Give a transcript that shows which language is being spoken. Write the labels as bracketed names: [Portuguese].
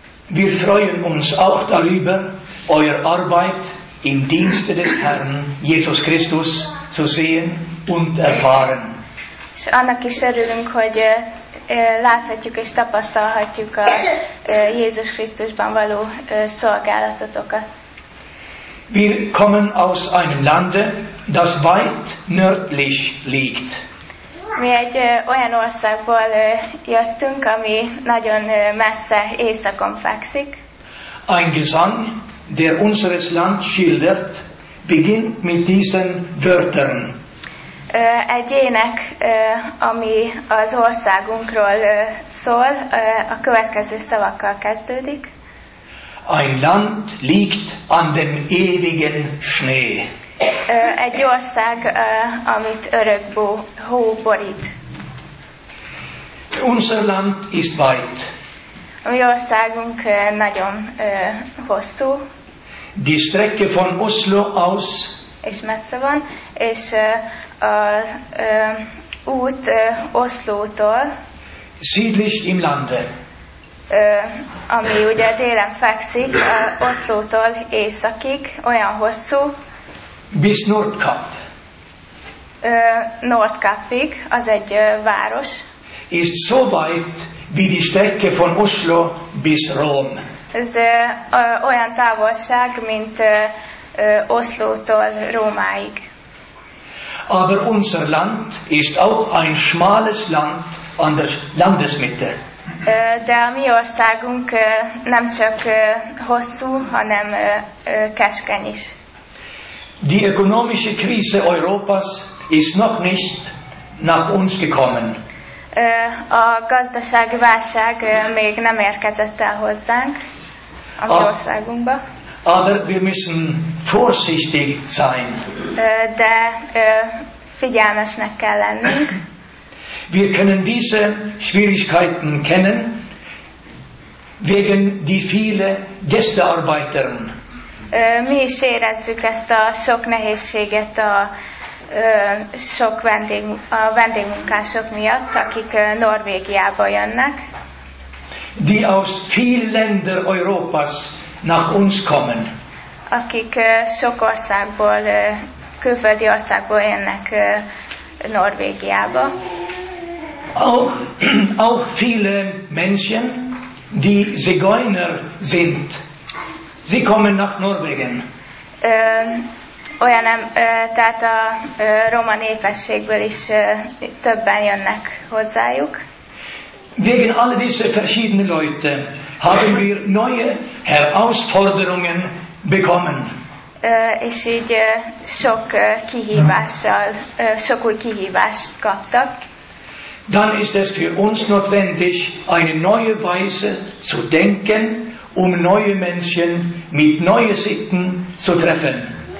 [German] Wir freuen uns auch darüber, euer Arbeit im Dienste des Herrn Jesus Christus zu sehen und erfahren. [Hungarian] És annak is örülünk, hogy láthatjuk és tapasztalhatjuk a Jézus Krisztusban való szolgálatotokat. [German] Wir kommen aus einem Lande, das weit nördlich liegt. [Hungarian] Mi egy olyan országból jöttünk, ami nagyon messze északon fekszik. [German] Ein Gesang, der unseres Land schildert, beginnt mit diesen Wörtern. [Hungarian] Egy ének, ami az országunkról szól, a következő szavakkal kezdődik. [German] Ein Land liegt an dem ewigen Schnee. [Hungarian] Egy ország, amit örök hó borít. [German] Unser Land ist weit. [Hungarian] A mi országunk nagyon hosszú. [German] Die Strecke von Oslo aus. [Hungarian] És messze van, és az út Oslótól. [German] Südlich im Lande. [Hungarian] Ami ugye délen fekszik, Oslótól északig, olyan hosszú. [German] Bis Nordkap. [Hungarian] Nordkapig, az egy város. [German] Ist so weit wie die Strecke von Oslo bis Rom. [Hungarian] Ez olyan távolság, mint Oslótól Rómáig. [German] Aber unser Land ist auch ein schmales Land an der Landesmitte. [Hungarian] De a mi országunk nem csak hosszú, hanem keskeny is. [German] Die ökonomische Krise Europas ist noch nicht nach uns gekommen. [Hungarian] A gazdasági válság még nem érkezett el hozzánk, a mi országunkba. [German] Aber wir müssen vorsichtig sein. [Hungarian] De figyelmesnek kell lennünk. [German] Wir können diese Schwierigkeiten kennen wegen die viele Gästearbeiter. [Hungarian] Mi is érezzük ezt a sok nehézséget a sok vendégmunkások miatt, akik Norvégiába jönnek. [German] Die aus vielen Ländern Europas nach uns kommen. [Hungarian] Akik sok országból, külföldi országból jönnek Norvégiába. [German] Auch viele Menschen, die Zigeuner sind, sie kommen nach Norwegen. [Hungarian] Tehát a roma népességből is többen jönnek hozzájuk. [German] Wegen all diese verschiedenen Leute haben wir neue Herausforderungen bekommen. [Hungarian] És így sok kihívással, sok új kihívást kaptak. [German] Dann ist es für uns notwendig, eine neue Weise zu denken, neue Menschen mit neuen Sitten zu treffen.